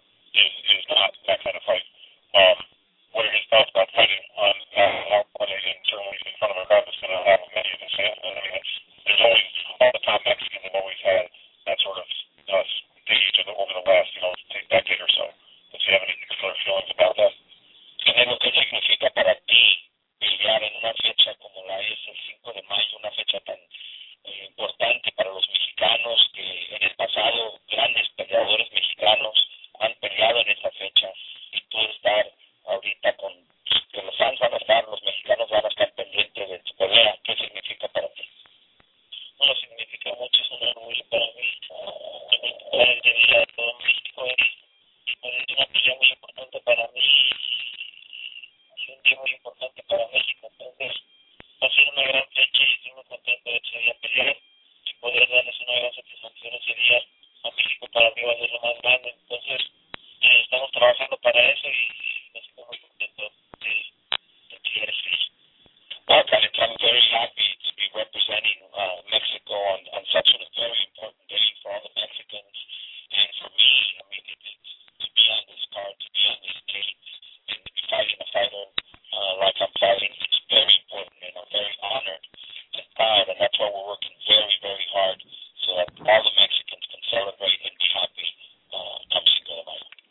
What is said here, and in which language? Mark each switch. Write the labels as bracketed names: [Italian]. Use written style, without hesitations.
[English] Is not that kind of fight. What are his thoughts about fighting on that Friday, and certainly in front of a crowd that's going to have many of the same? I mean, there's always, all the top Mexicans have always had that sort of stage over the last, you know, decade or so. Does he have any particular feelings about that? [Spanish] Canelo, ¿qué significa para ti pelear en una fecha como la es el 5 de mayo, una fecha tan importante para los mexicanos, que en el pasado grandes peleadores mexicanos han peleado en esa fecha, y tú estar ahorita con que los fans van a estar, los mexicanos van a estar pendientes de tu pelea? ¿Qué significa para ti? Bueno, significa mucho, es un orgullo para mí, para el día de todo México, es una pelea muy importante para mí. Es muy importante para México, entonces va a ser una gran fecha y estoy muy contento de ese día pelear y poder darles una gran satisfacción ese día a México. Para mí va a ser lo más grande, entonces estamos trabajando para eso y me siento muy contento de tener ese día. [English] Well, I'm very happy to be representing Mexico on such a very important day for all the Mexicans and for me. I mean, to be on this card, to be on this date, and to be fighting a fighter like I'm fighting, it's very important, and I'm very honored and proud, and that's why we're working very, very hard so that all the Mexicans can celebrate and be happy come Cinco de Mayo.